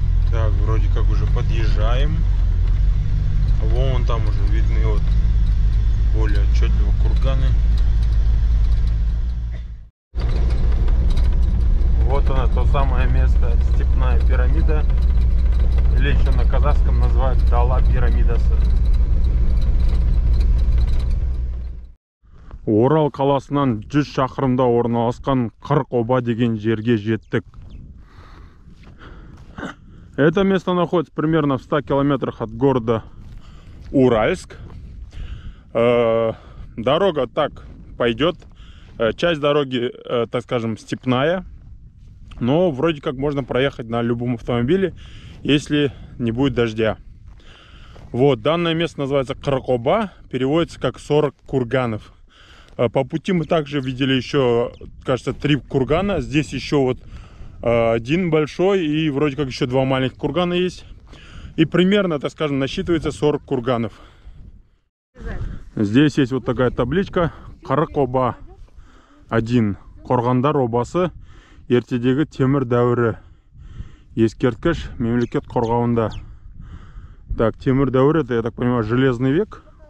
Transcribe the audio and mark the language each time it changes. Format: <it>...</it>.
<ru>Так, вроде как уже подъезжаем. Вон там уже видны вот более отчетливо курганы. Вот она, то самое место, степная пирамида, или еще на казахском называют</ru> <kk>Дала пирамидасы. Орал қаласынан 100 шақырымда орналасқан Каракоба деген жерге жеттік.</kk> <ru>Это место находится примерно в 100 километрах от города Уральск. Дорога так пойдет, часть дороги, так скажем, степная. Но вроде как можно проехать на любом автомобиле, если не будет дождя. Вот, данное место называется Каракоба, переводится как 40 курганов. По пути мы также видели еще, кажется, 3 кургана. Здесь еще вот один большой и вроде как еще 2 маленьких кургана есть. И примерно, так скажем, насчитывается 40 курганов. Здесь есть вот такая табличка Каракоба 1,</ru> <kk>Коргандар обасы. Ертедегі темір дәуірі. Ескерткіш мемлекет қорғауында.</kk> <ru>Так,</ru> <kk>темір дәуірі,</kk> <ru>это, я так понимаю, железный век.</ru>